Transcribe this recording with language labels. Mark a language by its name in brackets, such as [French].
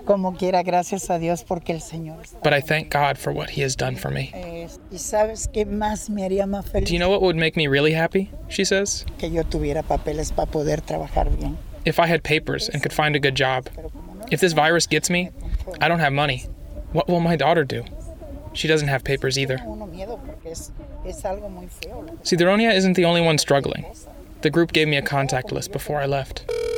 [Spanish] Como quiera, gracias a Dios porque el Señor está. [English] But I thank God for what He has done for me. [Spanish] ¿Y sabes qué más me haría más feliz? [English] Do you know what would make me really happy? She says. [Spanish] Que yo tuviera papeles para poder trabajar bien. [English] If I had papers and could find a good job. If this virus gets me, I don't have money. What will my daughter do? She doesn't have papers either. Sidronia isn't the only one struggling. The group gave me a contact list before I left.